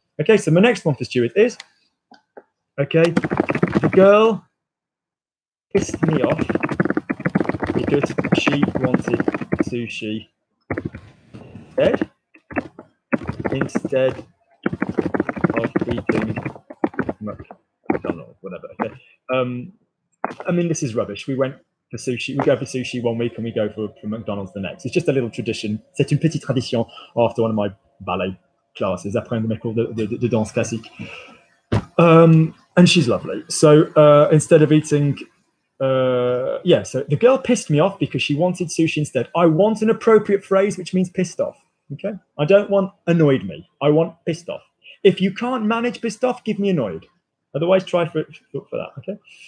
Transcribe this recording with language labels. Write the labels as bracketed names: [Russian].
[English] Okay, so my next one for Stuart is, okay, the girl pissed me off because she wanted sushi instead of eating McDonald's, whatever. Okay. I mean, this is rubbish. We go for sushi 1 week and we go for McDonald's the next. It's just a little tradition. [French] C'est une petite tradition [English] after one of my ballet classes. [French] Après un de mes cours de danse classique. [English] And she's lovely. So instead of eating, so the girl pissed me off because she wanted sushi instead. I want an appropriate phrase, which means pissed off. Okay. I don't want annoyed me. I want pissed off. If you can't manage pissed off, give me annoyed. Otherwise, try for that, okay?